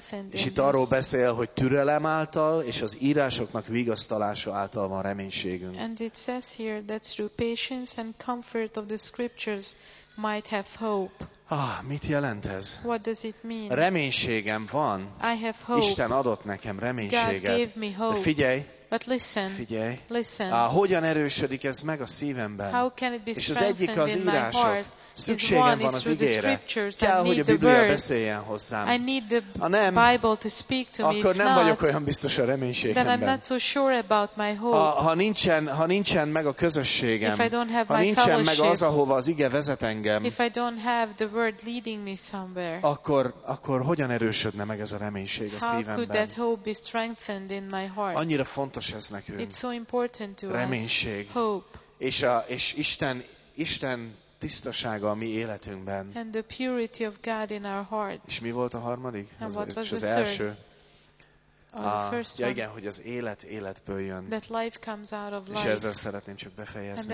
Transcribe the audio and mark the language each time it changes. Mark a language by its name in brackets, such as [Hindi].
[Hungarian] És itt arról beszél, hogy türelem által és az írásoknak vigasztalása által van reménységünk. [English] And it says here that through patience and comfort of the scriptures might have hope. [Hungarian] Ah, mit jelent ez? [English] What does it mean? [Hungarian] Reménységem van. [English] I have hope. [Hungarian] Isten adott nekem reménységet. [English] God gave me hope. [Hungarian] De figyelj! [English] But listen. [Hungarian] Figyelj! [English] Listen. [Hungarian] Hogyan erősödik ez meg a szívemben? [English] How can it be strengthened in my heart? [Hungarian] És az egyik az írások. Szükségem van az igére. Kell, hogy a Biblia beszéljen hozzám. [English] I need the Bible to speak to me. [Hungarian] Akkor nem vagyok olyan biztos a reménységemben. [English] Then I'm not so sure about my hope. [Hungarian] Ha nincsen meg a közösségem, ha nincsen meg az, ahova az ige vezet engem, [English] if I don't have the word leading me somewhere, [Hungarian] akkor hogyan erősödne meg ez a reménység a szívemben? [English] How could that hope be strengthened in my heart? [Hungarian] Annyira fontos ez nekünk. [English] It's so important to [Hungarian] reménység. [English] Us. Hope. [Hungarian] És Isten tisztasága a mi életünkben. [English] And the purity of God in our heart. [Hungarian] És mi volt a harmadik? Az első. Ja, igen, hogy az élet életből jön. [English] That life comes out of life. [Hungarian] És ezzel szeretném csak befejezni.